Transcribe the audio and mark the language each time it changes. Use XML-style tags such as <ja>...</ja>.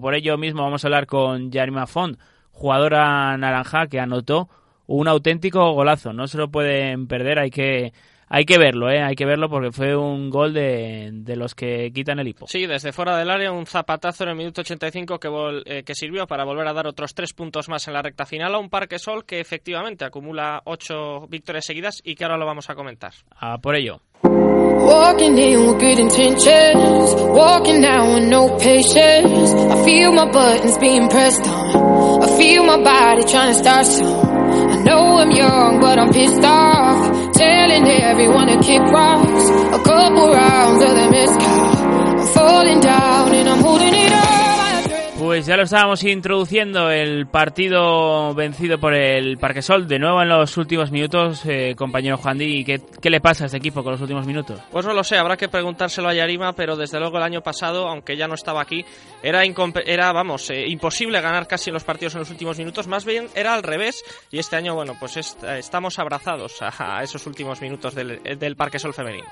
<es>Por ello mismo vamos a hablar con Yarima Font, jugadora naranja que anotó un auténtico golazo. No se lo pueden perder, hay que Hay que verlo, ¿eh? Hay que verlo porque fue un gol de los que quitan el hipo. Sí, desde fuera del área, un zapatazo en el minuto 85 que sirvió para volver a dar otros 3 puntos más en la recta final a un Parque Sol que efectivamente acumula 8 victorias seguidas y que ahora lo vamos a comentar. A por ello.</es> <en>Walking in with good intentions, walking down with no patience. I feel my buttons being pressed on, I feel my body trying to start some. I know I'm young but I'm pissed off, telling everyone to kick rocks. A couple rounds of the mezcal, I'm falling down and I'm holding it up.</en> <es>Pues ya lo estábamos introduciendo, el partido vencido por el Parque Sol, de nuevo en los últimos minutos, compañero Juan Di, ¿qué le pasa a este equipo con los últimos minutos? Pues no lo sé, habrá que preguntárselo a Yarima, pero desde luego el año pasado, aunque ya no estaba aquí, era imposible ganar casi los partidos en los últimos minutos, más bien era al revés, y este año, bueno, pues estamos abrazados a esos últimos minutos del Parque Sol femenino.</es>